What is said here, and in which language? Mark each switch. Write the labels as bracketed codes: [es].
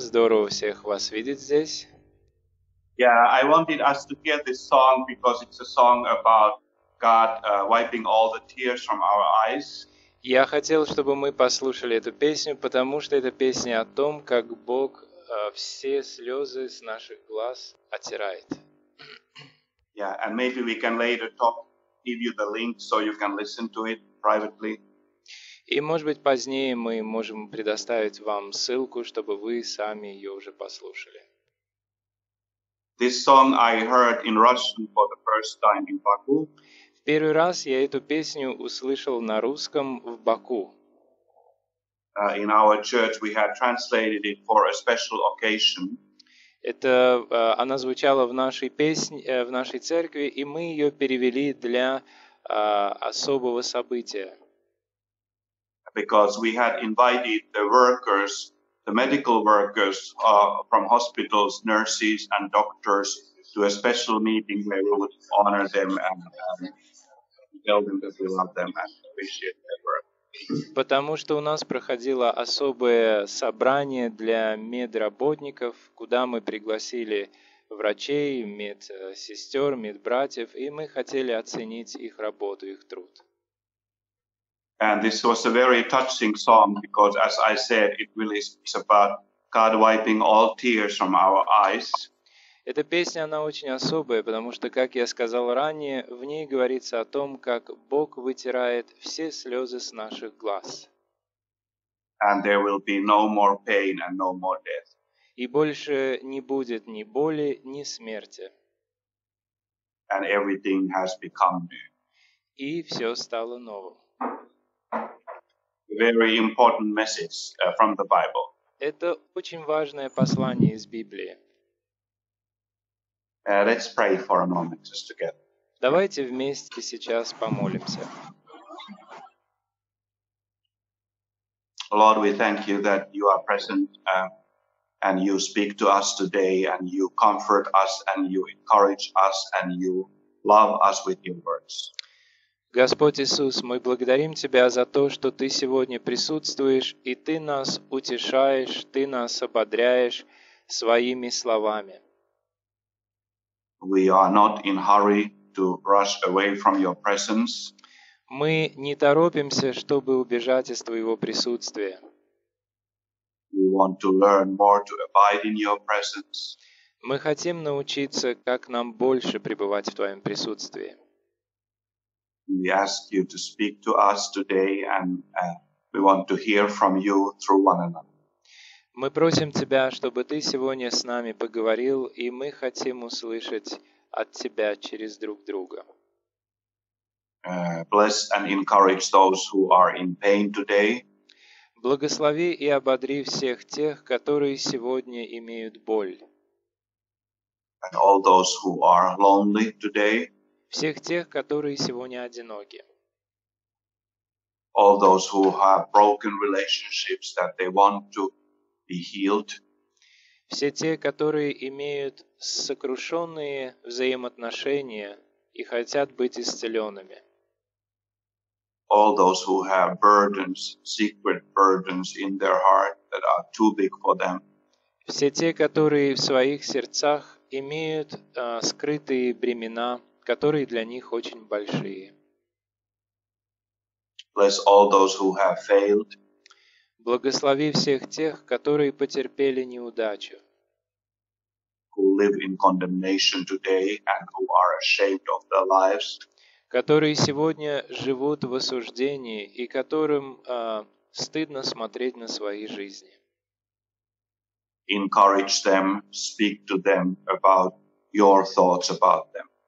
[ru] Здорово всех вас видеть здесь. [en] Yeah, I wanted us to hear this song because it's a song about God wiping all the tears from our eyes. [ru] Я хотел, чтобы мы послушали эту песню, потому что это песня о том, как Бог все слезы с наших глаз оттирает. [en] Yeah, and maybe we can later talk, give you the link so you can listen to it privately. [ru] И, может быть, позднее мы можем предоставить вам ссылку, чтобы вы сами ее уже послушали. [en] This song I heard in Russian for the first time in Baku. [ru] В первый раз я эту песню услышал на русском в Баку. [en] In our church we had translated it for a special occasion. [ru] Это она звучала в нашей песне, в нашей церкви, и мы ее перевели для особого события. [en] Because we had invited the workers, the medical workers from hospitals, nurses and doctors to a special meeting where we would honor them and tell them that we love them and appreciate their work. [ru] Потому что у нас проходило особое собрание для медработников, куда мы пригласили врачей, медсестер, медбратьев, и мы хотели оценить их работу, их труд. [en] And this was a very touching song because, as I said, it really speaks about God wiping all tears from our eyes. [ru] Эта песня, она очень особая, потому что, как я сказал ранее, в ней говорится о том, как Бог вытирает все слезы с наших глаз. [en] And there will be no more pain and no more death. [ru] И больше не будет ни боли, ни смерти. [en] And everything has become new. [ru] И все стало новым. [en] A very important message from the Bible. [ru] Это очень важное послание из Библии. [en] Let's pray for a moment just together. [ru] Давайте вместе сейчас помолимся. [en] Lord, we thank you that you are present and you speak to us today and you comfort us and you encourage us and you love us with your words. [ru] Господь Иисус, мы благодарим Тебя за то, что Ты сегодня присутствуешь и Ты нас утешаешь, Ты нас ободряешь своими словами. [en] We are not in hurry to rush away from your presence. [ru] Мы не торопимся, чтобы убежать из твоего присутствия. [en] We want to learn more to abide in your presence. [ru] Мы хотим научиться, как нам больше пребывать в твоем присутствии. [en] We ask you to speak to us today, and we want to hear from you through one another. [ru] Мы просим тебя, чтобы ты сегодня с нами поговорил, и мы хотим услышать от тебя через друг друга. [en] Bless and encourage those who are in pain today. [ru] Благослови и ободри всех тех, которые сегодня имеют боль. [en] And all those who are lonely today. [ru] Всех тех, которые сегодня одиноки. [en] All those who have broken relationships that they want to be healed. [ru] Все те, которые имеют сокрушенные взаимоотношения и хотят быть исцеленными. [en] All those who have burdens, secret burdens in their heart that are too big for them. [ru] Все те, которые в своих сердцах имеют скрытые бремена, которые для них очень большие. [en] Bless all those who have failed. [ru] Благослови всех тех, которые потерпели неудачу. [en] Who live in condemnation today and who are ashamed of their lives. [ru] Которые сегодня живут в осуждении и которым стыдно смотреть на свои жизни. [en] Encourage them, speak to them about your thoughts about them.